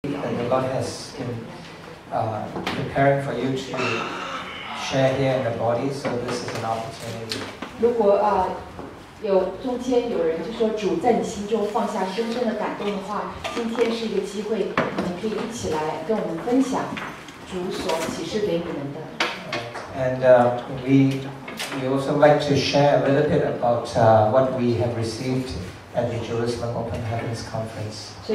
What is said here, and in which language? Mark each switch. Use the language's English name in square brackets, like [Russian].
[English] that the Lord has been preparing for you to share here in the body, so this is an opportunity. [Chinese] 如果, 有中间有人就说主在你心中放下深深的感动的话，今天是一个机会，你可以一起来跟我们分享主所启示给你们的。 [English] And we also like to share a little bit about what we have received at the Jerusalem Open Heavens Conference.